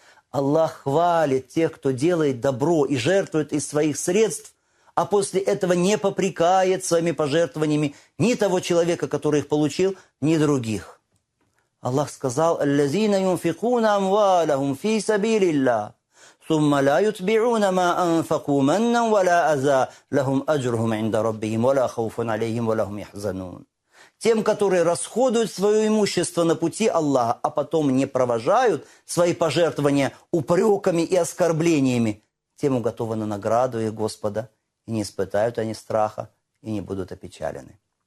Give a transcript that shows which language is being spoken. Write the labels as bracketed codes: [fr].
[ru] Аллах хвалит тех, кто делает добро и жертвует из своих средств, а после этого не попрекает своими пожертвованиями ни того человека, который их получил, ни других. Аллах сказал: [ar] «Аллазина юнфикуна амвалахум фи сабилиллях». ثم لا يتبعون ما أنفقوا منا ولا أذى لهم أجرهم عند ربهم ولا خوف عليهم ولا هم يحزنون. [ru] Тем, которые расходуют свое имущество на пути Аллаха, а потом не провожают свои пожертвования упреками и оскорблениями, тем уготована награда их Господа, и не испытают они страха, и не будут опечалены.